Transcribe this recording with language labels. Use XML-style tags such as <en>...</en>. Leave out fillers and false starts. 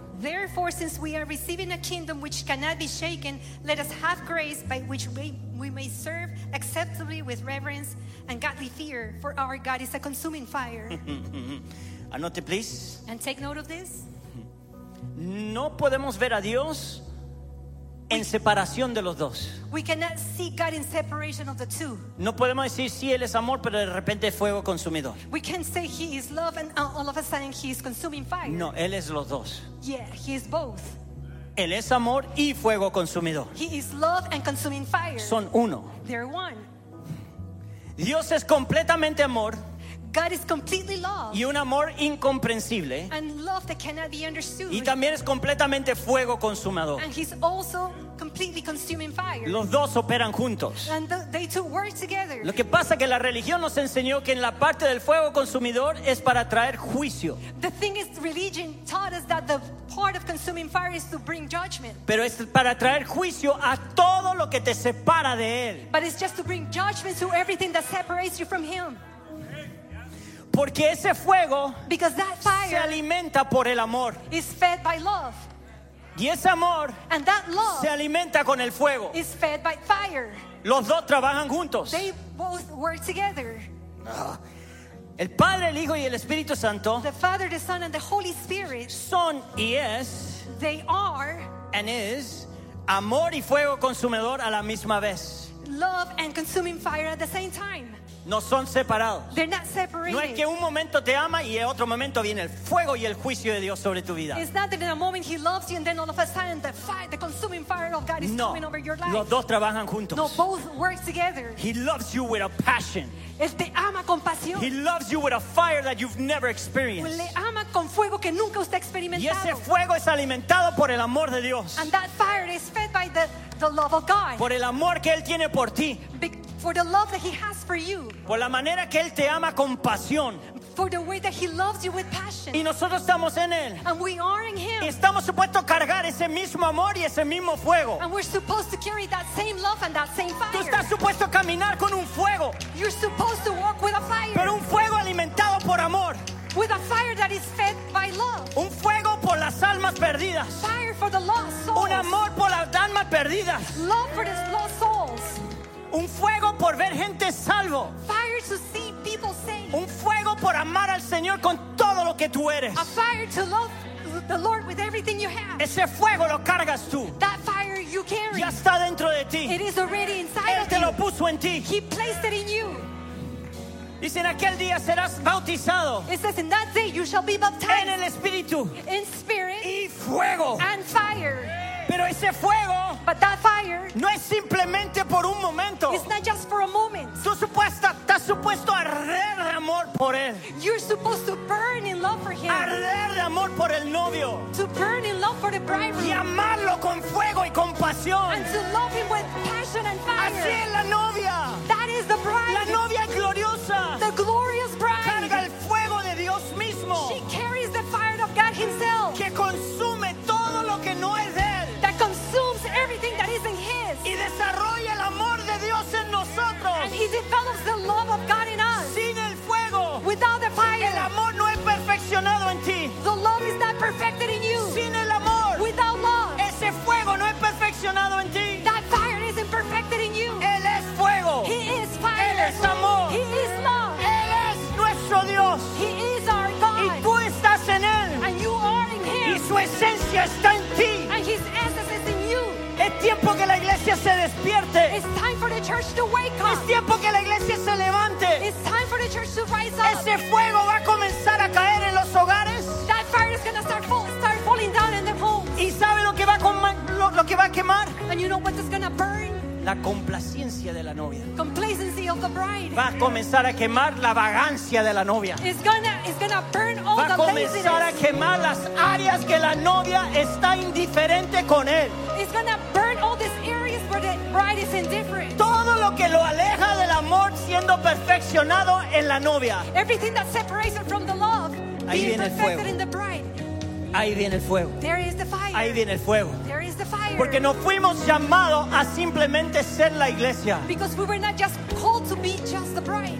<en>Therefore, since we are receiving a kingdom which cannot be shaken, let us have grace by which we may serve acceptably with reverence and godly fear, for our God is a consuming fire.</en> <es>Anote,</es> <en>please. And take note of this.</en> <es>No podemos ver a Dios en separación de los dos.</es> <en>We cannot see God in separation of the two.</en> <es>No podemos decir sí, él es amor, pero de repente es fuego consumidor.</es> <en>We can say he is love and all of a sudden he is consuming fire.</en> <es>No, él es los dos.</es> <en>Yeah, he is both.</en> <es>Él es amor y fuego consumidor.</es> <en>He is love and consuming fire.</en> <es>Son uno.</es> <en>They're one.</en> <es>Dios es completamente amor.</es> <en>God is completely love.</en> <es>Y un amor incomprensible.</es> <en>And love that cannot be understood.</en> <es>Y también es completamente fuego consumador.</es> <en>And he's also completely consuming fire.</en> <es>Los dos operan juntos.</es> <en>And they two work together.</en> <es>Lo que pasa que la religión nos enseñó que en la parte del fuego consumidor es para traer juicio.</es> <en>The thing is, religion taught us that the part of consuming fire is to bring judgment.</en> <es>Pero es para traer juicio a todo lo que te separa de él.</es> <en>But it's just to bring judgment to everything that separates you from him.</en> <es>Porque ese fuego,</es> <en>because that fire,</en> <es>se alimenta por el amor,</es> <en>is fed by love.</en> <es>Y ese amor,</es> <en>and that love,</en> <es>se alimenta con el fuego,</es> <en>is fed by fire.</en> <es>Los dos trabajan juntos.</es> <en>They both work together.</en> <es>El Padre, el Hijo y el Espíritu Santo,</es> <en>the Father, the Son, and the Holy Spirit,</en> <es>son y es,</es> <en>they are, and is,</en> <es>amor y fuego consumidor a la misma vez.</es> <en>Love and consuming fire at the same time.</en> <es>No son separados.</es> <en>They're not separated.</en> <es>No es que un momento te ama y en otro momento viene el fuego y el juicio de Dios sobre tu vida.</es> <en>It's not that in a moment he loves you and then all of a sudden the fire, the consuming fire of God is coming over your life.</en> <es>Los dos trabajan juntos.</es> <en>No, both work together. He loves you with a passion.</en> <es>Él te ama con pasión.</es> <en>He loves you with a fire that you've never experienced.</en> <es>Le ama con fuego que nunca usted ha experimentado. Y ese fuego es alimentado por el amor de Dios.</es> <en>And that fire is fed by the love of God.</en> <es>Por el amor que él tiene por ti.</es> <en>For the love that he has for you.</en> <es>Por la manera que él te ama con pasión.</es> <en>For the way that he loves you with passion.</en> <es>Y nosotros estamos en él.</es> <en>And we are in him.</en> <es>Y estamos supuestos a cargar ese mismo amor y ese mismo fuego.</es> <en>And we're supposed to carry that same love and that same fire.</en> <es>Tú estás supuesto a caminar con un fuego.</es> <en>You're supposed to walk with a fire.</en> <es>Pero un fuego alimentado por amor.</es> <en>With a fire that is fed by love.</en> <es>Un fuego por las almas perdidas.</es> <en>Fire for the lost souls.</en> <es>Un amor por las almas perdidas.</es> <en>Love for the lost souls.</en> <es>Un fuego por ver gente salvo.</es> <en>Fire to see people saved.</en> <es>Un fuego por amar al Señor con todo lo que tú eres.</es> <en>A fire to love the Lord with everything you have.</en> <es>Ese fuego lo cargas tú.</es> <en>That fire you carry.</en> <es>Ya está dentro de ti.</es> <en>It is already inside of you.</en> <es>Él te lo puso en ti.</es> <en>He placed it in you.</en> <es>Dice, en aquel día serás bautizado.</es> <en>It says, in that day you shall be baptized.</en> <es>En el Espíritu.</es> <en>In spirit.</en> <es>Y fuego.</es> <en>And fire.</en> <es>Pero ese fuego,</es> <en>but that fire,</en> <es>no es simplemente por un momento.</es> <en>It's not just for a moment.</en> <es>Tú estás supuesto a arder de amor por él.</es> <en>You're supposed to burn in love for him.</en> <es>Arder de amor por el novio.</es> <en>To burn in love for the bridegroom.</en> <es>Y amarlo con fuego y con pasión.</es> <en>And to love him with passion and fire.</en> <es>Así es la novia.</es> <en>That is the bride.</en> <es>La novia gloriosa.</es> <en>The glorious bride.</en> <es>Carga el fuego de Dios mismo.</es> <en>She carries the fire of God himself.</en> <es>Que consume todo lo que no es de él.</es> <en>Consumes everything that isn't his.</en> <es>Y desarrolla el amor de Dios en nosotros.</es> <en>And he develops the love of God in us.</en> <es>Sin el fuego.</es> <en>Without the fire.</en> <es>El amor no es perfeccionado en ti.</es> <en>The love is not perfected in you.</en> <es>Sin el amor,</es> <en>without love,</en> <es>ese fuego no es perfeccionado en ti.</es> <en>That fire isn't perfected in you.</en> <es>Él es fuego.</es> <en>He is fire.</en> <es>Él es amor.</es> <en>He is love.</en> <es>Él es nuestro Dios.</es> <en>He is our God.</en> <es>Y tú estás en él.</es> <en>And you are in him.</en> <es>Y su esencia está en ti.</es> <en>And his essence is in you.</en> <es>Es tiempo que la iglesia se despierte.</es> <en>It's time for the church to wake up.</en> <es>Es tiempo que la iglesia se levante.</es> <en>It's time for the church to rise up.</en> <es>Ese fuego va a comenzar a caer en los hogares.</es> <en>That fire is going to start falling down in the homes.</en> <es>¿Y sabe lo que va a quemar?</es> <en>And you know what is going to burn?</en> <es>La complacencia de la novia.</es> <en>Complacency of the bride.</en> <es>Va a comenzar a quemar la vagancia de la novia.</es> <en>It's gonna burn all the laziness.</en> <es>Va a comenzar a quemar las áreas que la novia está indiferente con él.</es> <en>It's gonna burn all these areas where the bride is indifferent.</en> <es>Todo lo que lo aleja del amor siendo perfeccionado en la novia.</es> <en>Everything that separates her from the love.</en> <es>Ahí viene el fuego.</es> <en>In the bride.</en> <es>Ahí viene el fuego.</es> <en>There is the fire.</en> <es>Ahí viene el fuego.</es> <en>There is the fire.</en> <es>Porque no fuimos llamados a simplemente ser la iglesia.</es> <en>Because we were not just called to be just the bride.</en>